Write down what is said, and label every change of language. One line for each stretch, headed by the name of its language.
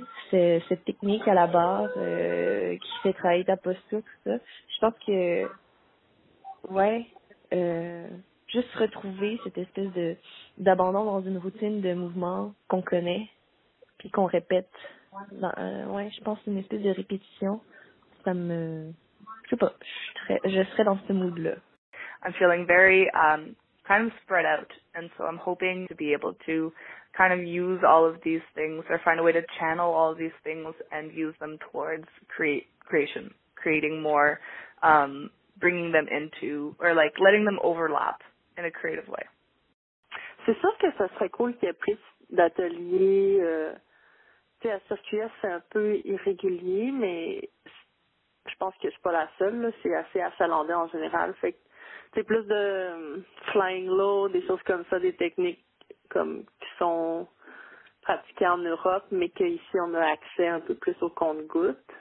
French: cette technique à la barre qui fait travailler ta posture, tout ça. Je pense que... Ouais. Juste retrouver cette espèce d'abandon dans une routine de mouvement qu'on connaît puis qu'on répète. Ouais, je pense une espèce de répétition. Ça me... Je sais pas, je serais dans ce mood-là.
English: I'm feeling very kind of spread out, and so I'm hoping to be able to kind of use all of these things or find a way to channel all of these things and use them towards creation, creating more, bringing them into, or like letting them overlap in a creative way.
French: C'est sûr que ça serait cool qu'il y ait plus d'ateliers. Tu sais, à circuler, c'est un peu irrégulier, mais je pense que je suis pas la seule, là. C'est assez achalandé en général. Fait que, tu sais, plus de flying low, des choses comme ça, des techniques comme qui sont pratiquées en Europe, mais qu'ici, on a accès un peu plus au compte-gouttes.